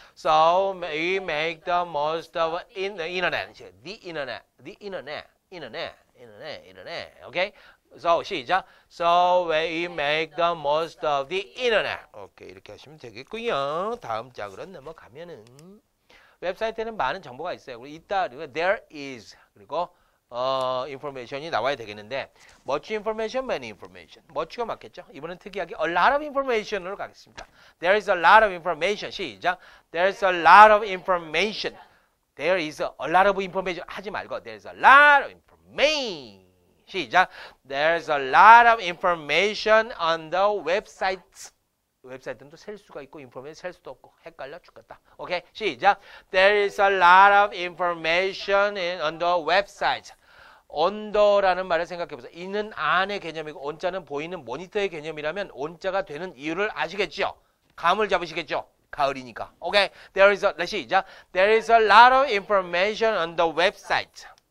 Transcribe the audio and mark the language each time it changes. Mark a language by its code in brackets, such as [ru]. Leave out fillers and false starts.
[en] So we make the most of in the internet. The internet. The internet. Internet. Internet. Internet. Okay. So, 시작. So, we make the most of the internet. [ko] 오케이, 이렇게 하시면 되겠고요. 다음 장으로 넘어가면은 웹사이트에는 많은 정보가 있어요. 그리고 있다, 그리고 there is, 그리고 information이 나와야 되겠는데 much information, many information. much가 맞겠죠? 이번엔 특이하게 [en] a lot of information으로 [ko] 가겠습니다. [en] There is a lot of information. 시작. There is a lot of information. There is a lot of information. [ko] 하지 말고 [en] there is a lot of information. 시작. There's a lot of information on the websites. [ko] 웹사이트는 또 셀 수가 있고 인포메이션 셀 수도 없고 헷갈려 죽겠다. 오케이. 시작. [en] There is a lot of information on the websites. [ko] on the라는 말을 생각해 보세요. 있는 안의 개념이고 on자는 보이는 모니터의 개념이라면 on자가 되는 이유를 아시겠죠? 감을 잡으시겠죠? 가을이니까. 오케이. There is a 시작. [en] There is a lot of information on the websites.